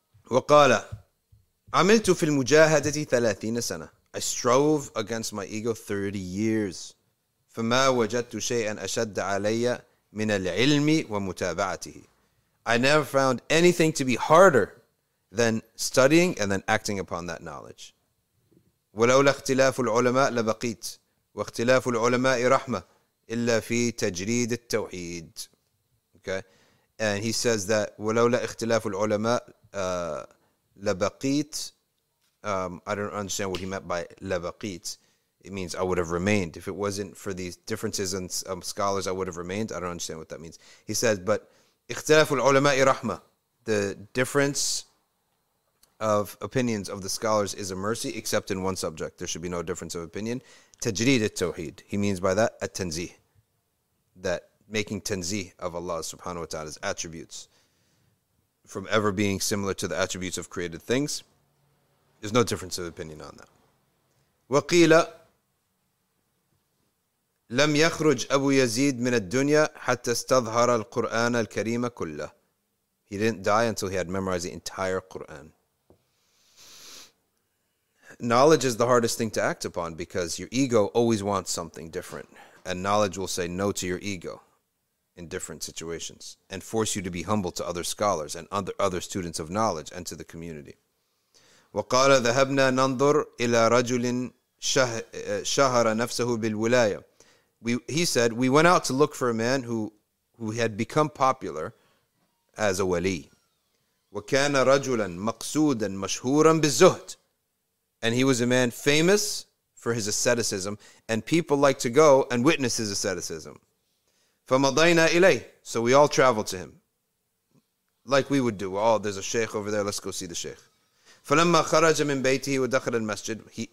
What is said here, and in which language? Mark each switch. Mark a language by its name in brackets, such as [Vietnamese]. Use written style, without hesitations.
[Arabic] وقال عملت في المجاهدة 30 سنة. [English] I strove against my ego 30 years. [Arabic] فما وجدت شيئا أشد علي من العلم ومتابعته. [English] I never found anything to be harder than studying and then acting upon that knowledge. [Arabic] ولولا اختلاف العلماء لبقيت واختلاف العلماء رحمة إلا في تجريد التوحيد. [English] Okay, and he says that [Arabic] ولولا اختلاف العلماء لبقيت. [English] I don't understand what he meant by لبقيت. It means I would have remained. If it wasn't for these differences in scholars, I would have remained. I don't understand what that means. He says, but [Arabic] اختلاف العلماء رحمة, [English] the difference of opinions of the scholars is a mercy, except in one subject. There should be no difference of opinion. [Arabic] تجريد التوحيد. [English] He means by that, التنزيه. That making تنزيه of Allah subhanahu wa ta'ala's attributes from ever being similar to the attributes of created things. There's no difference of opinion on that. [Arabic] وقيل لم يخرج أبو يزيد من الدنيا حتى استظهر القرآن الكريم كله. [English] He didn't die until he had memorized the entire Quran. Knowledge is the hardest thing to act upon because your ego always wants something different. And knowledge will say no to your ego in different situations and force you to be humble to other scholars and other students of knowledge and to the community. [Arabic] وقال ذهبنا ننظر إلى رجل شهر نفسه بالولاية. [English] He said, we went out to look for a man who had become popular as a wali. [Arabic] وكان رجلا مقصودا مشهورا بالزهد. [English] And he was a man famous for his asceticism, and people like to go and witness his asceticism. [Arabic] فمضينا إليه. [English] So we all traveled to him, like we would do. Oh, there's a sheikh over there, let's go see the sheikh. [Arabic] فلما خرج من بيته ودخل المسجد.